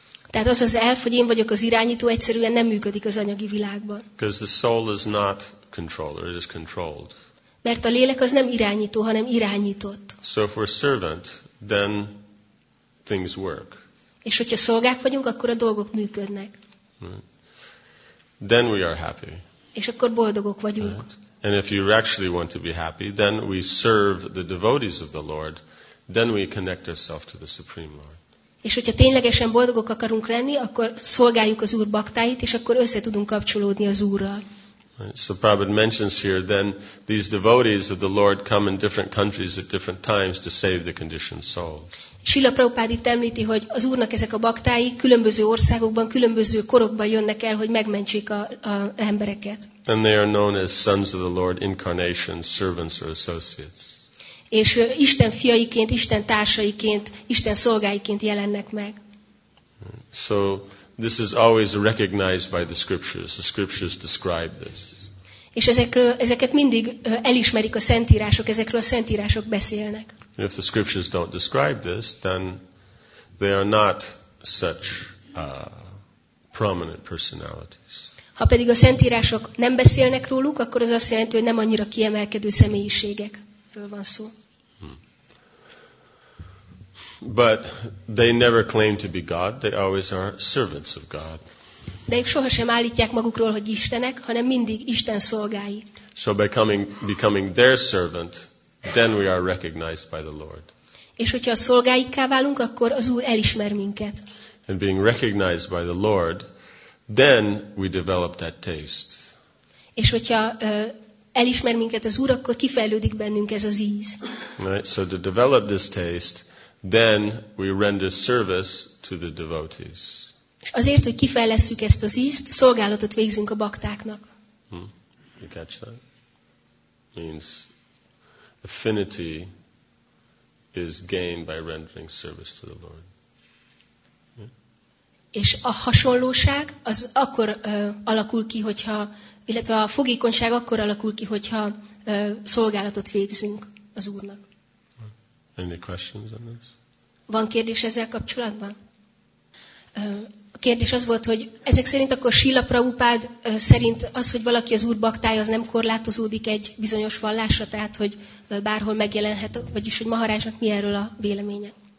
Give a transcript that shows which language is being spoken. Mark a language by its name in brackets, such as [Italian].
[Hungarian] Tehát az az elf, hogy én vagyok az irányító, egyszerűen nem működik az anyagi világban. [English] Because the soul is not controller, it is controlled. [Hungarian] Mert a lélek az nem irányító, hanem irányított. [English] So if we're servant, then things work. [Hungarian] És hogyha szolgák vagyunk, akkor a dolgok működnek. [English] Then we are happy. [Hungarian] És akkor boldogok vagyunk. [English] Right. And if you actually want to be happy, then we serve the devotees of the Lord, then we connect ourselves to the Supreme Lord. [Hungarian] És hogyha ténylegesen boldogok akarunk lenni, akkor szolgáljuk az Úr baktáit, és akkor össze tudunk kapcsolódni az Úrral. [English] Right. So Prabhupada mentions here, then these devotees of the Lord come in different countries at different times to save the conditioned souls. [Hungarian] Srila Prabhupád itt említi, hogy az Úrnak ezek a baktái különböző országokban, különböző korokban jönnek el, hogy megmentsék a embereket. [English] And they are known as sons of the Lord, incarnations, servants or associates. [Hungarian] És Isten fiaiként, Isten társaiként, Isten szolgáiként jelennek meg. [English] So this is always recognized by the scriptures. The scriptures describe this. [Hungarian] És ezeket mindig elismerik a szentírások, ezekről a szentírások beszélnek. [English] If the scriptures don't describe this, then they are not such prominent personalities. [Hungarian] Ha pedig a szentírások nem beszélnek róluk, akkor az azt jelenti, hogy nem annyira kiemelkedő személyiségekről van szó. [English] But they never claim to be God. They always are servants of God. [Hungarian] De ők sohasem állítják magukról, hogy istenek, hanem mindig Isten szolgái. [English] So becoming their servant, then we are recognized by the Lord. [Hungarian] És hogyha a szolgáikká válunk, akkor az Úr elismer minket. [English] And being recognized by the Lord, then we develop that taste. [Hungarian] És hogyha elismer minket az Úr, akkor kifejlődik bennünk ez az íz. [English] Right? So to develop this taste, then we render service to the devotees. [Hungarian] És azért, hogy kifejlesszük ezt az ízt, szolgálatot végzünk a baktáknak. [English] You catch that? Means affinity is gained by rendering service to the Lord. [Hungarian] És a hasonlóság az akkor alakul ki, hogyha, illetve a fogékonyság akkor alakul ki, hogyha szolgálatot végzünk az Úrnak. [English] Any questions on this? [Hungarian] Van kérdés ezzel kapcsolatban? A kérdés az volt, hogy ezek szerint akkor Srila Prabhupád szerint az, hogy valaki az Úr baktája, az nem korlátozódik egy bizonyos vallásra, tehát hogy bárhol megjelenhet, vagyis hogy Maharajnak mi erről a véleménye?